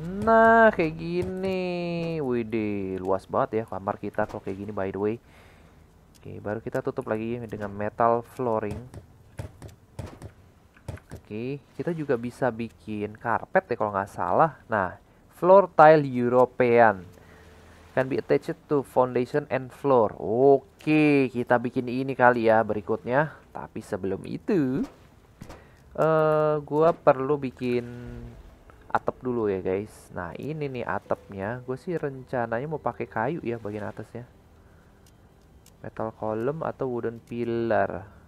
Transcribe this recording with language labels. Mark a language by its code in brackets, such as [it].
[id] Nah, kayak gini. Widih, luas banget ya kamar kita kalau kayak gini, [en] by the way. [id] Oke, baru kita tutup lagi dengan metal flooring. Oke, kita juga bisa bikin karpet ya kalau nggak salah. [en] Nah, floor tile European. Can be attached to foundation and floor. [id] Oke, kita bikin ini kali ya berikutnya. Tapi sebelum itu, gua perlu bikin atap dulu ya, guys. Nah, ini nih atapnya. Gue sih rencananya mau pakai kayu ya bagian atasnya. Metal column atau wooden pillar.